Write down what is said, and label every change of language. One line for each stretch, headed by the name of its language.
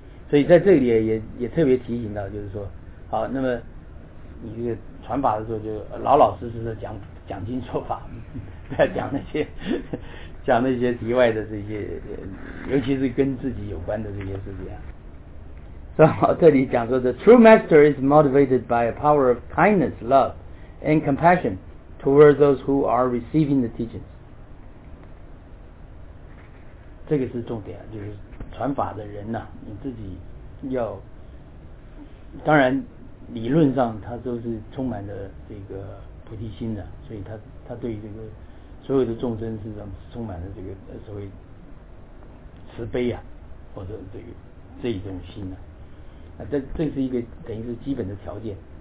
Chinese: 所以在这里也特别提醒到，就是说好，那么你这个传法的时候就老老实实的讲经说法，不要讲那些题外的这些，尤其是跟自己有关的这些事情。所以这里讲说
English: The true master is motivated by a power of kindness, love and compassion towards those who are receiving the teachings。
Chinese: 这个是重点，就是传法的人呢、啊，你自己要，当然理论上他都是充满着这个菩提心的，所以他对这个所有的众生是充满了这个所谓慈悲啊，或者这种心呢、啊，啊，这是一个等于是基本的条件。